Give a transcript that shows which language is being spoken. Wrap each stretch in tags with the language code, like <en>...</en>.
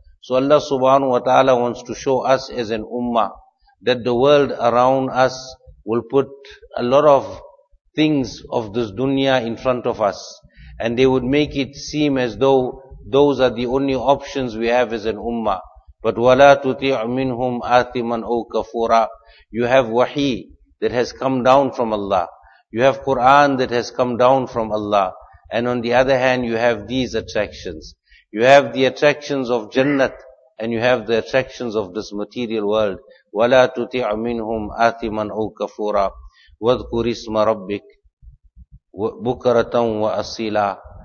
<en>So Allah subhanahu wa ta'ala wants to show us as an ummah that the world around us will put a lot of things of this dunya in front of us. And they would make it seem as though those are the only options we have as an ummah. But</en> <ar>وَلَا تُطِعْ مِنْهُمْ آثِمًا أَوْ كَفُورًا.</ar> <en>You have wahi that has come down from Allah. You have Quran that has come down from Allah. And on the other hand, you have these attractions. You have the attractions of Jannat, and you have the attractions of this material world.</en> <ar>وَلَا تُطِعْ مِنْهُمْ آثِمًا أَوْ كَفُورًا. وَذْكُرِ اسْمَ رَبِّكَ بُكَرَةً وَأَصِيلًا.</ar>